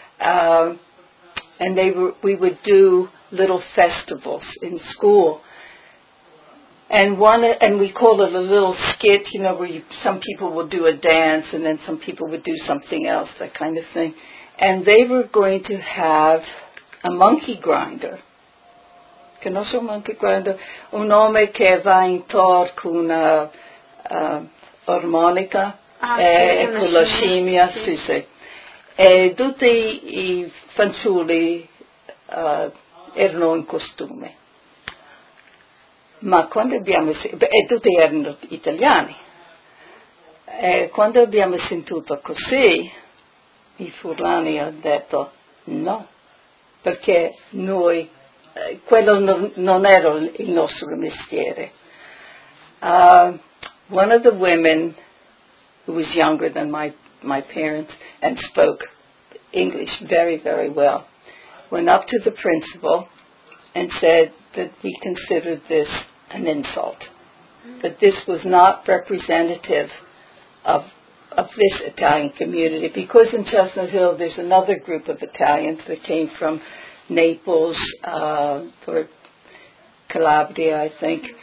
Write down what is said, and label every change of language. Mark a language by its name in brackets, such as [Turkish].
[English] And we would do little festivals in school. And we call it a little skit, you know, where some people would do a dance and then some people would do something else, that kind of thing. And they were going to have a monkey grinder. [Italian] Conosce un monkey grinder? Un uomo che va in tor con una... armonica, e con la scimmia, sì. E tutti i fanciulli erano in costume. Ma quando abbiamo sentito, e tutti erano italiani, e quando abbiamo sentito così, i furlani hanno detto no, perché noi, quello non era il nostro mestiere. [English] One of the women who was younger than my parents and spoke English very, very well went up to the principal and said that we considered this an insult, that this was not representative of this Italian community, because in Chestnut Hill there's another group of Italians that came from Naples or Calabria, I think.